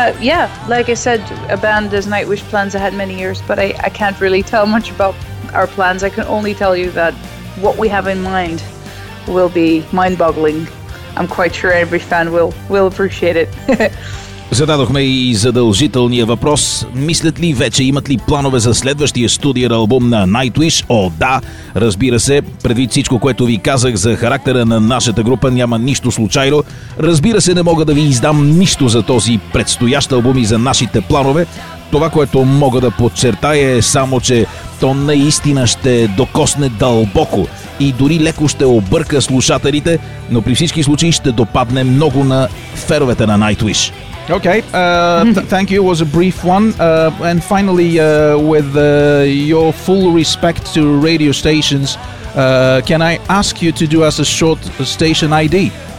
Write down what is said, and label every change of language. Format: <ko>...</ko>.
<en>Yeah, like I said, a band as Nightwish plans ahead many years, but I can't really tell much about our plans. I can only tell you that what we have in mind will be mind-boggling. I'm quite sure every fan will appreciate it.</en> <bg>Зададохме и задължителния въпрос. Мислят ли вече, имат ли планове за следващия студиен албум на Nightwish? О, да, разбира се. Предвид всичко, което ви казах за характера на нашата група, няма нищо случайно. Разбира се, не мога да ви издам нищо за този предстоящ албум и за нашите планове. Това, което мога да подчертая, е само, че то наистина ще докосне дълбоко и дори леко ще обърка слушателите, но при всички случаи ще допадне много на феновете на Nightwish.</bg> <en>Okay, thank you. It was a brief one. And finally, with your full respect to radio stations, can I ask you to do us a short station ID?</en>